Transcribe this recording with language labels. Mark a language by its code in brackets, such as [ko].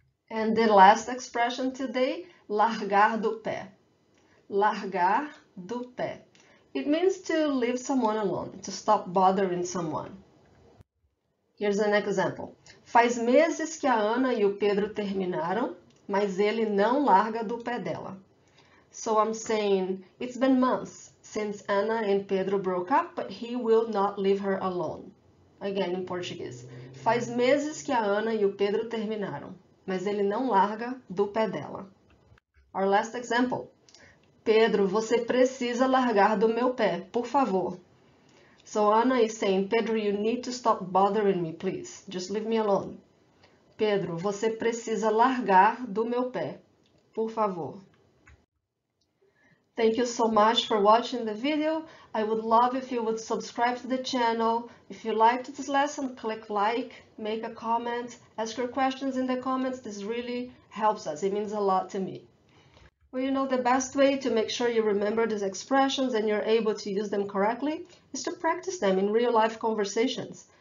[en] And the last expression today, largar do pé. Largar do pé. It means to leave someone alone, to stop bothering someone. Here's an example. [pt] Faz meses que a Ana e o Pedro terminaram, mas ele não larga do pé dela. [en] So I'm saying, it's been months since Ana and Pedro broke up, but he will not leave her alone. Again, in Portuguese. [pt] Faz meses que a Ana e o Pedro terminaram, mas ele não larga do pé dela. [en] Our last example. [pt] Pedro, você precisa largar do meu pé, por favor. [en] So Ana is saying, Pedro, you need to stop bothering me, please. Just leave me alone. [pt] Pedro, você precisa largar do meu pé, por favor. [en] Thank you so much for watching the video. I would love if you would subscribe to the channel. If you liked this lesson, click like, make a comment, ask your questions in the comments. This really helps us. It means a lot to me. Well, you know, the best way to make sure you remember these expressions and you're able to use them correctly is to practice them in real life conversations.